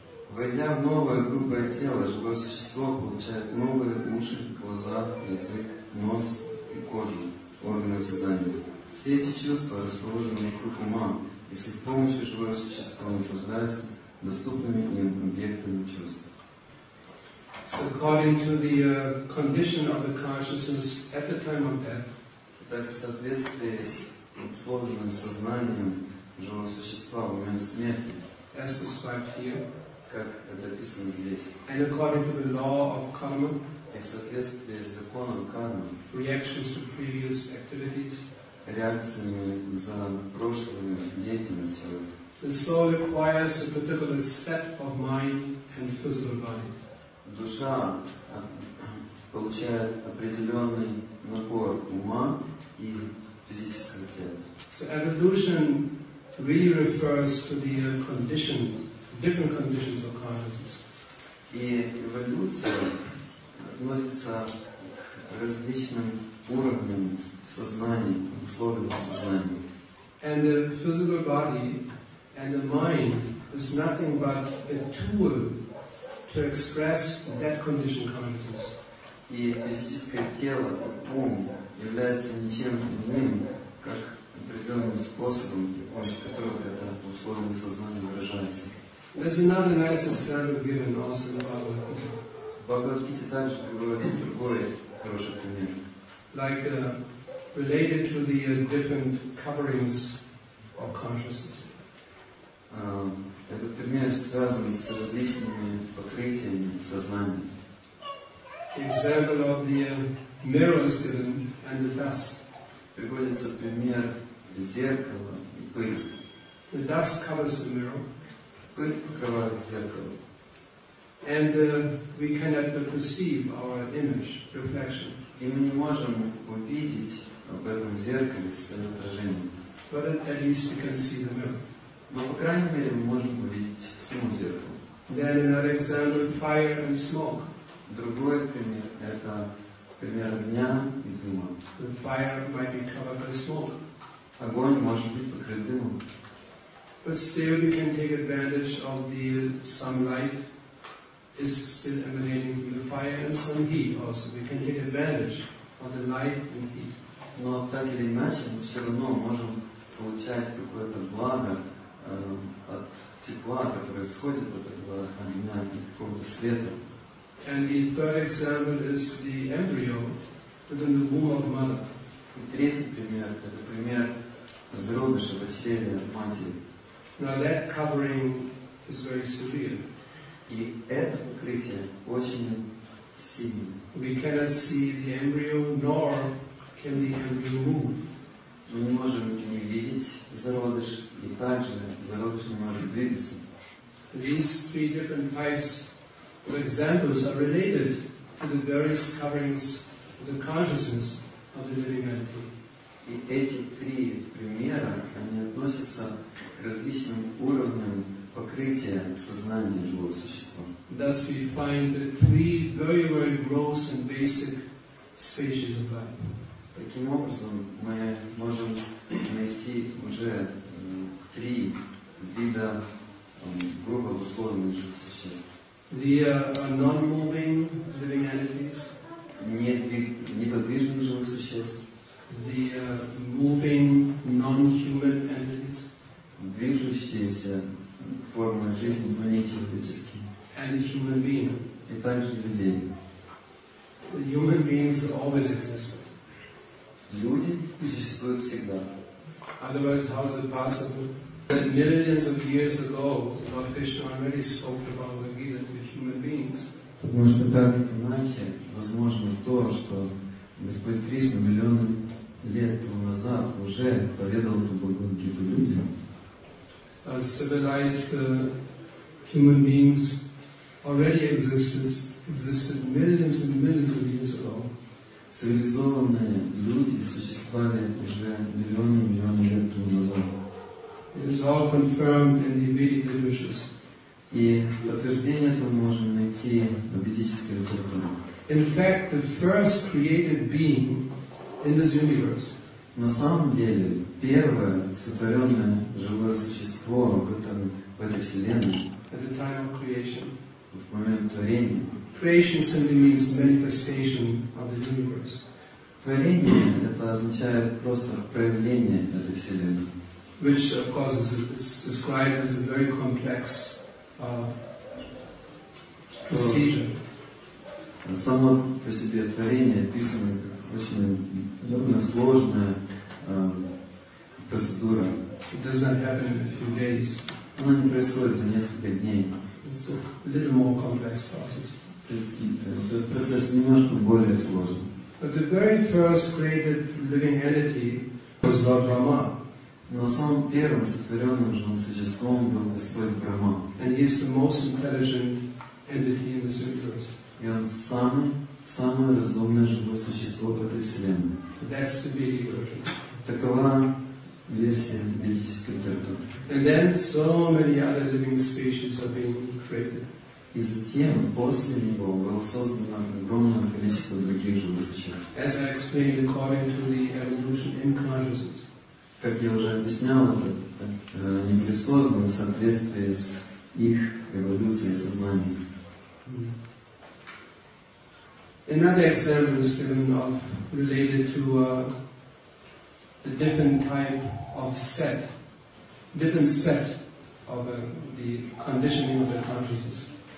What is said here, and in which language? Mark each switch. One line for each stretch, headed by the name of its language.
Russian: Войдя в новое грубое тело, живое существо получает новые уши, глаза, язык, нос и кожу, органы сознания. Все эти чувства расположены вокруг ума, если с помощью живого существа наслаждается доступными им объектами чувств.
English: So according to the condition of the consciousness at the time of death,
Russian: так в соответствии с условленным сознанием живого существа в момент смерти,
English: as described here,
Russian: как это описано здесь.
English: And according to the law of karma,
Russian: и в соответствии с законом кармы,
English: reactions to previous activities,
Russian: реакциями за прошлую деятельность человека,
English: the soul requires a particular set of mind and physical body.
Russian: Душа получает определенный набор ума и физического тела.
English: So evolution really refers to the condition, different conditions of consciousness.
Russian: И эволюция относится к различным уровням сознания, условиям сознания.
English: And the physical body and the mind is nothing but a tool to express that condition consciousness.
Russian: И физическое тело, ум, является ничем иным, как определенным способом, с которым это условное сознание выражается.
English: There's another nice example given also in Bhagavad-gita.
Russian: Bhagavad-gita также приводится другой хороший пример.
English: Like related to the different coverings of consciousness.
Russian: Этот пример связан с различными покрытиями сознания.
English: Example of the mirrors given and the dust.
Russian: Приводится пример зеркала и пыли.
English: The dust covers the mirror.
Russian: Пыль покрывает зеркало.
English: And we cannot perceive our image, reflection.
Russian: И мы не можем увидеть об этом зеркале своё отражение.
English: But at least we can see the mirror.
Russian: Но, по крайней мере, мы можем увидеть само зеркало.
English: Then another example, fire and smoke.
Russian: Другой пример – это пример огня и дыма.
English: The fire might be covered by smoke.
Russian: Огонь может быть покрыт дымом.
English: But still we can take advantage of the sunlight is still emanating from the fire and some heat also. We can take advantage of the light and heat.
Russian: Но так или иначе, мы все равно можем получать какое-то благо от тепла, которое исходит от этого огня и какого-то света.
English: And the third example is the embryo within the womb of mother.
Russian: И третий пример – это пример зародыша во чреве матери.
English: Now that covering is very severe.
Russian: И это покрытие очень сильное.
English: We cannot see the embryo, nor can the embryo move.
Russian: Мы не можем не видеть зародыш, и также зародыш не может двигаться.
English: These three different types of examples are related to the various coverings of the consciousness of the living entity.
Russian: И эти три примера, они относятся к различным уровням покрытия сознания живого существа.
English: Thus we find the three very, very gross and basic stages of life.
Russian: Таким образом, мы можем найти уже три вида грубо условных живых существ.
English: The non-moving living entities.
Russian: Неподвижных живых существ.
English: The moving non-human entities.
Russian: Движущиеся формы жизни, но не человеческие.
English: And the human being.
Russian: И также людей.
English: The human beings always exist.
Russian: Люди существуют всегда.
English: Otherwise, how is it possible that millions of years ago, Lord Krishna already spoke about the Gita to human beings?
Russian: Потому что так иначе возможно то, что Господь Кришна миллионы лет назад уже поведал эту Бхагавад Гиту людям.
English: Civilized human beings already existed millions and millions of years ago.
Russian: Цивилизованные люди существовали уже миллионы, миллионы лет тому назад.
English: It is all confirmed in the Vedic literatures.
Russian: И подтверждение этого можно найти в ведической литературе.
English: In fact, the first created being in this universe.
Russian: На самом деле, первое сотворенное живое существо в этой вселенной.
English: At the time of creation.
Russian: В момент творения.
English: Creation simply means manifestation of the universe.
Russian: Творение — это означает просто проявление этой вселенной.
English: Which of course is described as a very complex procedure.
Russian: Само по себе творение описано как очень довольно сложная процедура.
English: It does not happen in a few days.
Russian: Оно не происходит за несколько дней.
English: It's a little more complex process.
Russian: Этот процесс немножко более сложен.
English: But the very first created living entity was Lord Brahma.
Russian: Но самым первым сотворенным живым существом был Господь Брахма.
English: And he is the most intelligent entity in this universe.
Russian: И он самое разумное живое существо в этой вселенной.
English: That's the Vedic version.
Russian: Такова версия ведической литературы.
English: And then so many other living species are being created.
Russian: И затем, после него, было создано огромное количество других живых существ.
English: As I explained, according to the evolution in consciousness.
Russian: Как я уже объяснял, они были созданы в соответствии с их эволюцией сознания.
English: Another example is given of related to the different type of set, different set of the conditioning of the consciousness.